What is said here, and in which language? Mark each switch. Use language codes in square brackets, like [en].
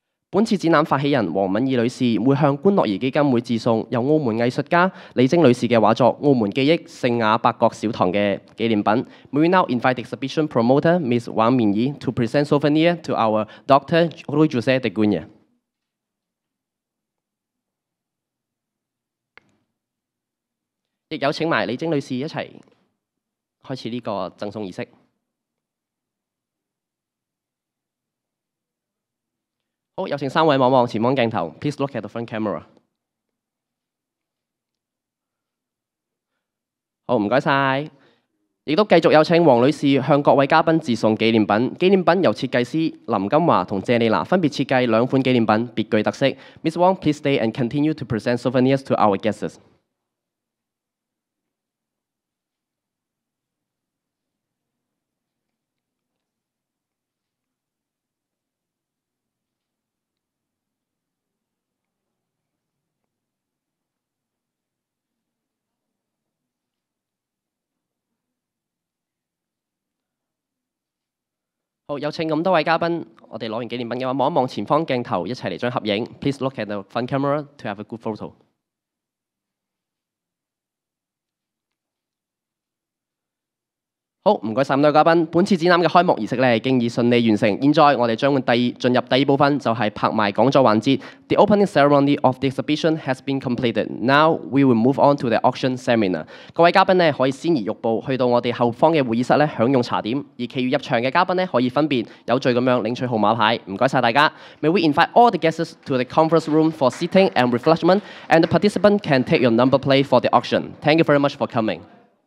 [yue] 本次展覽發起人黃敏儀女士會向觀樂兒基金會致送由澳門藝術家李晶女士嘅畫作《澳門記憶聖雅伯國小堂》嘅紀念品。 [en] May we now invite the exhibition promoter Ms. 黃敏儀 to present souvenir to our Dr. Rui José de Cunha。 [yue] 亦有請埋李晶女士一齊開始呢個贈送儀式。好，有請三位望望前方鏡頭 ， [en] please look at the front camera。 [yue] 好，唔該曬。亦都繼續有請黃女士向各位嘉賓致送紀念品。紀念品由設計師林金華同謝麗娜分別設計兩款紀念品，別具特色。 [en] Miss Wong, please stay and continue to present souvenirs to our guests。 [yue] 好，有請咁多位嘉賓，我哋攞完紀念品嘅話，望一望前方鏡頭，一齊嚟張合影。 [en] Please look at the front camera to have a good photo。 [yue] 好，唔該曬咁多位嘉賓。本次展覽嘅開幕儀式咧，已經已順利完成。現在我哋將進入第二部分，就係拍賣講座環節。 [en] The opening ceremony of the exhibition has been completed. Now we will move on to the auction seminar. [yue] 各位嘉賓咧，可以先移玉步去到我哋後方嘅會議室咧，享用茶點。而其餘入場嘅嘉賓咧，可以分別有序咁樣領取號碼牌。唔該曬大家。 [en] May we invite all the guests to the conference room for seating and refreshment, and the participant can take your number plate for the auction. Thank you very much for coming.